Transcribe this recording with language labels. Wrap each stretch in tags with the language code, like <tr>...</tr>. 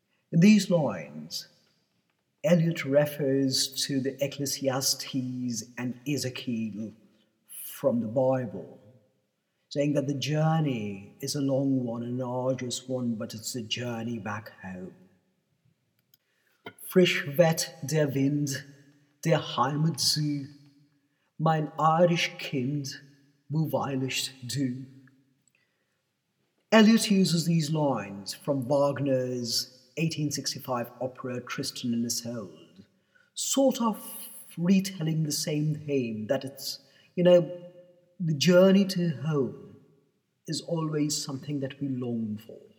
<en>In these lines, Eliot refers to the Ecclesiastes and Ezekiel from the Bible, saying that the journey is a long one, an arduous one, but it's a journey back home.</en> <de>Frisch weht der Wind, der Heimat zu, mein Irish Kind, wo weilest du?</de> <en>Eliot uses these lines from Wagner's 1865 opera Tristan and Isolde, sort of retelling the same theme that it's, you know, the journey to home is always something that we long for.</en>